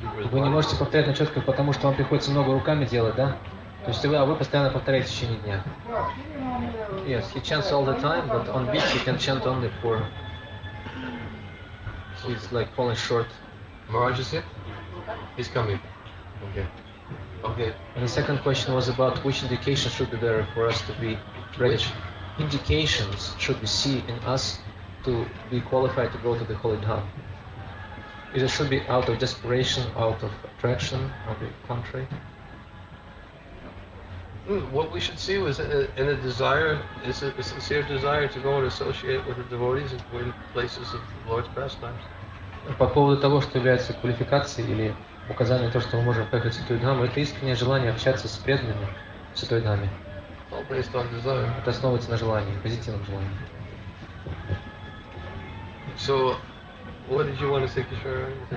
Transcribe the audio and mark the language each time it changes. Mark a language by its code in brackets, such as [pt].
[ru] Вы не можете повторять начетку, потому что вам приходится много руками делать, да? То есть вы постоянно повторяете в течение дня. [en] Yes, he chants all the time, but on beach he can chant only for. He's like falling short. Maharaj is here? He's coming. Okay. And the second question was about which indication should be there for us to be ready. Which? Indications should we see in us to be qualified to go to the Holy Dham? Is it should be out of desperation, out of attraction, on the contrary? What we should see was a sincere desire to go and associate with the devotees and go in places of the Lord's pastimes. [ru] По поводу того, что является квалификацией или указанием то, что мы можем поехать в Святую Дхаму, это искреннее желание общаться с преданными в Святой Дхаме. Это основывается на желании, позитивном желании. [en] So, what did you want to say, Kishore?